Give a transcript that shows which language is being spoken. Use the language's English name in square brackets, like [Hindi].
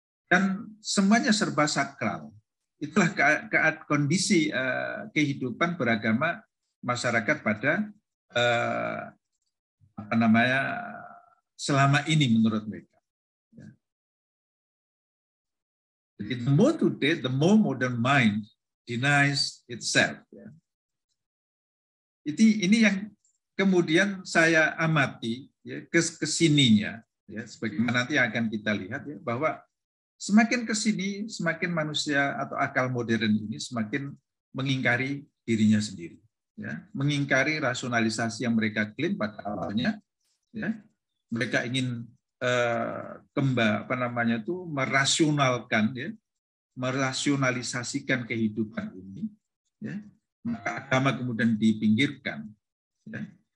[Indonesian] Dan semuanya serba sakral. Itulah kondisi kehidupan beragama masyarakat pada apa namanya selama ini menurut mereka. Jadi [English] the more today, the more modern mind denies itself. [Indonesian] Jadi ini yang kemudian saya amati ya, kesininya, ya, sebagaimana nanti akan kita lihat ya, bahwa semakin kesini, semakin manusia atau akal modern ini semakin mengingkari dirinya sendiri, ya, mengingkari rasionalisasi yang mereka klaim pada awalnya, ya, mereka ingin merasionalkan ya, merasionalisasikan kehidupan ini ya, maka agama kemudian dipinggirkan ya.